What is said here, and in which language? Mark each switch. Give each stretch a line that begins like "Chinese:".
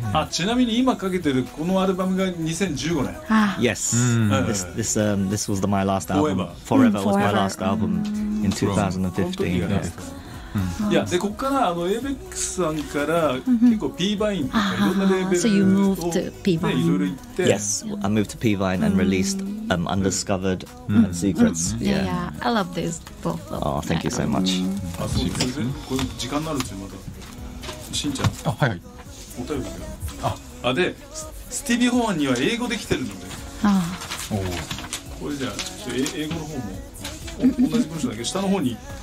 Japanese: ちなみに今かけてるこのアルバムが2015年。
English: Yes. This was my last album. Forever was my last album in 2015.
Japanese: いやでここからあの ABEX さんから結構 P バインとかいろんなレベルを、ね、いろいろ行って
English: Yes, I moved to P バイン and released Undiscovered and Secrets Yeah, I love this both of them. Oh, thank you so much.
Japanese: あ、そうですね、これ時間になるんですよ、またしんちゃん、あ、はいはい、お便りで、あ、で、スティービー・ホーンには英語できてるので、あ、おお、これじゃあちょっと英語の方も同じ文章だけど下の方に、